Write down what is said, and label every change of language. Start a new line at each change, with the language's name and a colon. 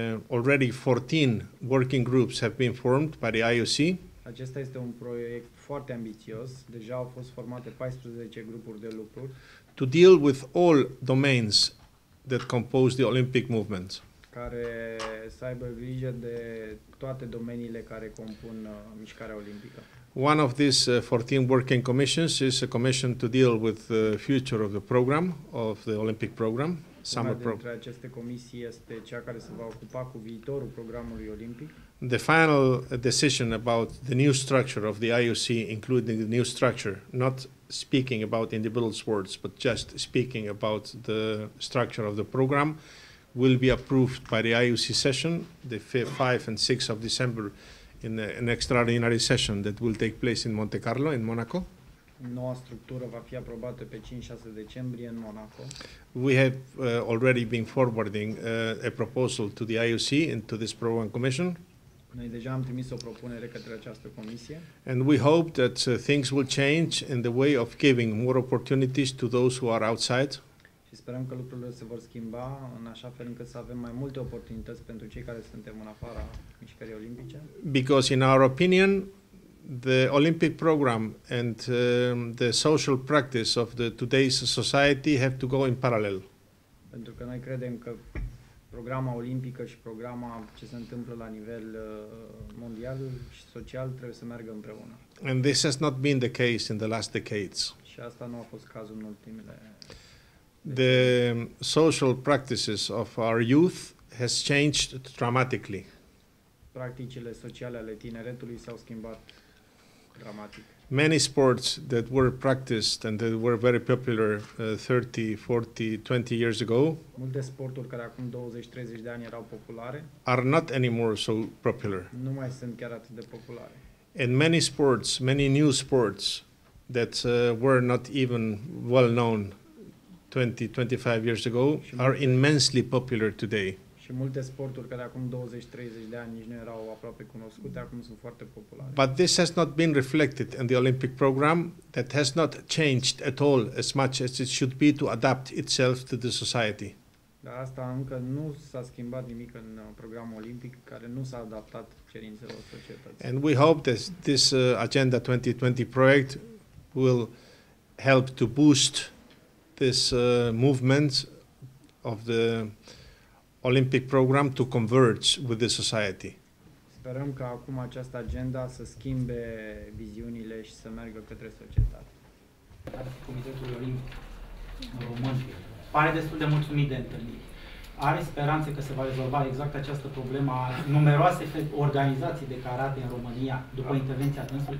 English: Already 14 working groups have been formed by the IOC.
Romanian: Acesta este un proiect foarte ambițios. Deja au fost formate 14 grupuri de lucru.
English: To deal with all domains that compose the Olympic movement.
Romanian: Care să aibă grijă de toate domeniile care compun mișcarea olimpică.
English: One of these 14 working commissions is a commission to deal with the future of the program, of the Olympic program, summer program.
Romanian: Una dintre aceste comisii este cea care se va ocupa cu viitorul programului olimpic.
English: The final decision about the new structure of the IOC, including the new structure, not speaking about individual sports, but just speaking about the structure of the program, will be approved by the IOC session, the 5 and 6 of December, in an extraordinary session that will take place in Monte Carlo, in Monaco.
Romanian: Noua structură va fi aprobată pe 5-6 decembrie în Monaco.
English: We have already been forwarding a proposal to the IOC and to this program commission.
Romanian: Noi deja am trimis o propunere către această comisie.
English: And we hope that things will change in the way of giving more opportunities to those who are outside.
Romanian: Și sperăm că lucrurile se vor schimba în așa fel încât să avem mai multe oportunități pentru cei care suntem în afara mișcării olimpice.
English: Because in our opinion, the Olympic program and the social practice of the today's society have to go in parallel.
Romanian: Pentru că noi credem că programa olimpică și programa ce se întâmplă la nivel mondial și social trebuie să meargă împreună.
English: And this has not been the case in the last decades.
Romanian: Și asta nu a fost cazul în ultimele.
English: The social practices of our youth has changed dramatically.
Romanian: Practicile sociale ale tineretului s-au schimbat dramatic.
English: Many sports that were practiced and that were very popular 30, 40, 20 years ago,
Romanian: multe sporturi care acum 20-30 de ani erau populare,
English: are not anymore so popular.
Romanian: Nu mai sunt chiar atât de populare.
English: And many sports, many new sports that were not even well known 20-25 years ago are immensely popular today.
Romanian: Și multe sporturi care acum 20-30 de ani nici nu erau aproape cunoscute, acum sunt foarte populare.
English: But this has not been reflected in the Olympic program, that has not changed at all as much as it should be to adapt itself to the society.
Romanian: Dar asta încă nu s-a schimbat nimic în programul olimpic care nu s-a adaptat cerințelor societății.
English: And we hope that this Agenda 2020 project will help to boost this movement of the Olympic program to converge with the society.
Romanian: Sperăm că acum această agenda să schimbe viziunile și să meargă către societate. Comitetul Olimpic Român pare destul de mulțumit de întâlniri. Are speranțe că se va rezolva exact această problemă a numeroase organizații de karate în România după intervenția dânsului?